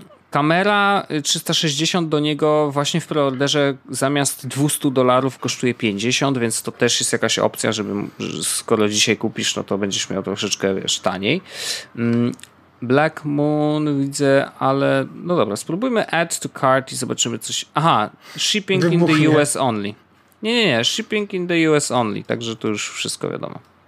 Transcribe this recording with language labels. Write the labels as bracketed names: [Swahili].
[Polish] Kamera 360 do niego właśnie w preorderze zamiast $200 kosztuje 50, więc to też jest jakaś opcja, żeby, skoro dzisiaj kupisz, no to będziesz miał troszeczkę, wiesz, taniej. Black Moon widzę, ale no dobra, spróbujmy [English] add to cart [Polish] i zobaczymy coś. [English] Aha, shipping in the US only. [Polish] Nie, [English] shipping in the US only, [Polish] także to już wszystko wiadomo.